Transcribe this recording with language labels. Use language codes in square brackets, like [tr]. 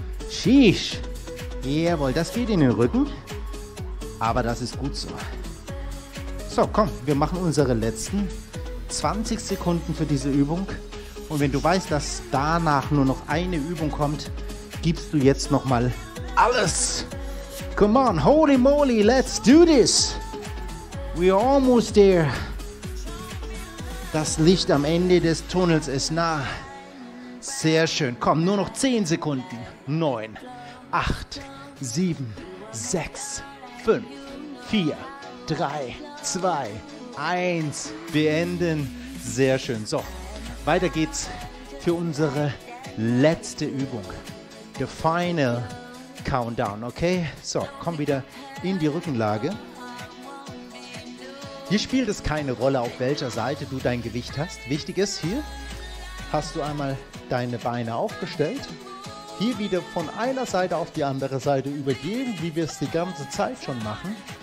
[de] Shish. Jawohl, das geht in den Rücken. Aber das ist gut so. So, komm, wir machen unsere letzten 20 Sekunden für diese Übung. Und wenn du weißt, dass danach nur noch eine Übung kommt, gibst du jetzt nochmal alles. [en] Come on, holy moly, let's do this. We're almost there. [de] Das Licht am Ende des Tunnels ist nah. Sehr schön. Komm, nur noch 10 Sekunden. 9, 8, 7, 6, 5, 4, 3, 2, 1, beenden. Sehr schön. So, weiter geht's für unsere letzte Übung. [en] The final countdown, okay? [de] So, komm wieder in die Rückenlage. Hier spielt es keine Rolle, auf welcher Seite du dein Gewicht hast. Wichtig ist, hier hast du einmal deine Beine aufgestellt. Hier wieder von einer Seite auf die andere Seite übergeben, wie wir es die ganze Zeit schon machen.